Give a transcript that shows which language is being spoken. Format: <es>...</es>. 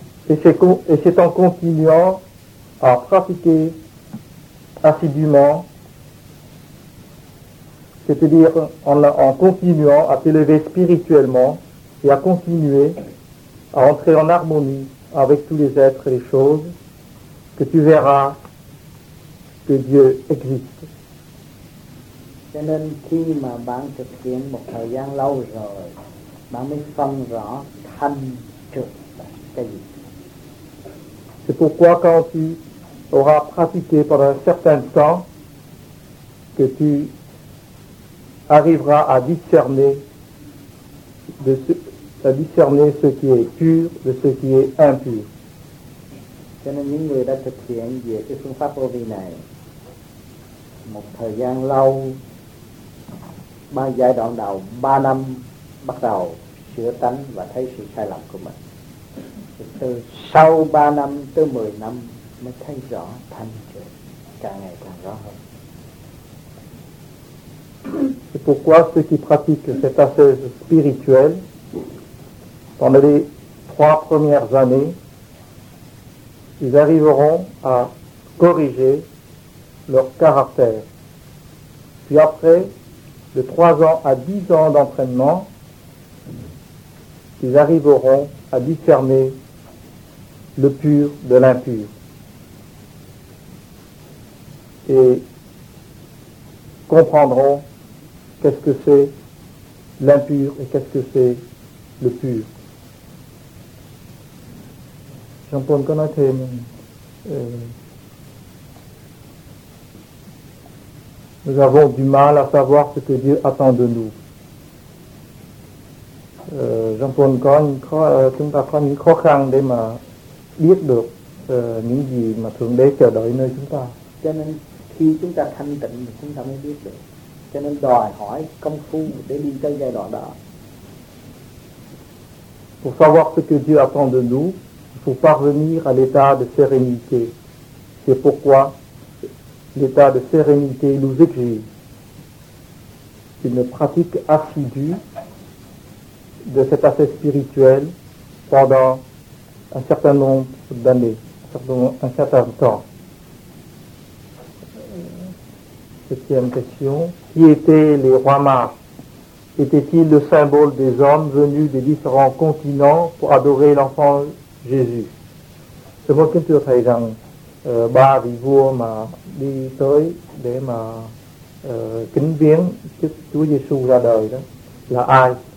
<fr>Et c'est en continuant à pratiquer assidûment, c'est-à-dire en continuant à t'élever spirituellement et à continuer à entrer en harmonie avec tous les êtres et les choses, que tu verras que Dieu existe.</fr> <vi>Cho nên khi mà bạn thực hiện một thời gian lâu rồi, bạn mới phân rõ thanh trực là cái gì.</vi> <fr>C'est pourquoi quand tu auras pratiqué pendant un certain temps, que tu arriveras à discerner ce qui est pur de ce qui est impur.</fr> <vi>Cho nên những người đã thực hiện về cái phương pháp vô vi này một thời gian lâu, ba giai đoạn đầu, ba năm bắt đầu sửa tánh và thấy sự sai lầm của mình. Từ sau ba năm tới mười năm mới thấy rõ thanh trực, càng ngày càng rõ hơn.</vi> <fr>C'est pourquoi ceux qui pratiquent cette ascèse spirituelle pendant les trois premières années, ils arriveront à corriger leur caractère. Puis après, de 3 ans à 10 ans d'entraînement, ils arriveront à discerner le pur de l'impur. Et comprendront qu'est-ce que c'est l'impur et qu'est-ce que c'est le pur. J'en pense qu'on a été... Nous avons du mal à savoir ce que Dieu attend de nous.</fr> <vi>trong tuần có những khó, chúng ta có những khó khăn để mà biết được những gì mà Thượng Đế chờ đợi nơi chúng ta. Cho nên khi chúng ta thanh tịnh thì chúng ta mới biết được. Cho nên đòi hỏi công phu để đi tới giai đoạn đó.</vi> <fr>Pour savoir ce que Dieu attend de nous, il faut parvenir à l'état de sérénité. C'est pourquoi l'état de sérénité nous exige une pratique assidue de cet aspect spirituel pendant un certain nombre d'années, un certain temps. Septième question. Qui étaient les rois mages? Était-il le symbole des hommes venus des différents continents pour adorer l'enfant Jésus? Je vois que tu as dit dans</fr> <vi>ba vị vua mà đi tới để mà kính viếng trước Chúa Giêsu ra đời đó là ai?</vi>